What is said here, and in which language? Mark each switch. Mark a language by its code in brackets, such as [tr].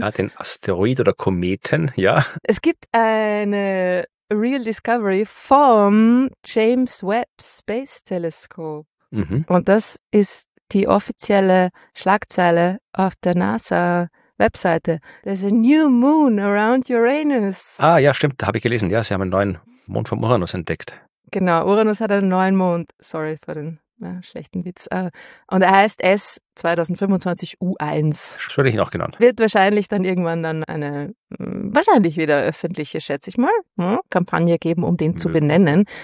[de] Ja, den Asteroid oder Kometen, ja. Es gibt eine [en] Real Discovery [de] vom James Webb Space Telescope. Mhm. Und das ist die offizielle Schlagzeile auf der NASA-Webseite. [en] There's a new moon around Uranus. [de] Ah ja, stimmt, habe ich gelesen. Ja, sie haben einen neuen Mond vom Uranus entdeckt. Genau, Uranus hat einen neuen Mond. Sorry für den schlechten Witz. Und er heißt S2025U1. Schon ich ihn auch genannt. Wird wahrscheinlich dann irgendwann dann eine, wahrscheinlich wieder öffentliche, schätze ich mal, Kampagne geben, um den zu benennen.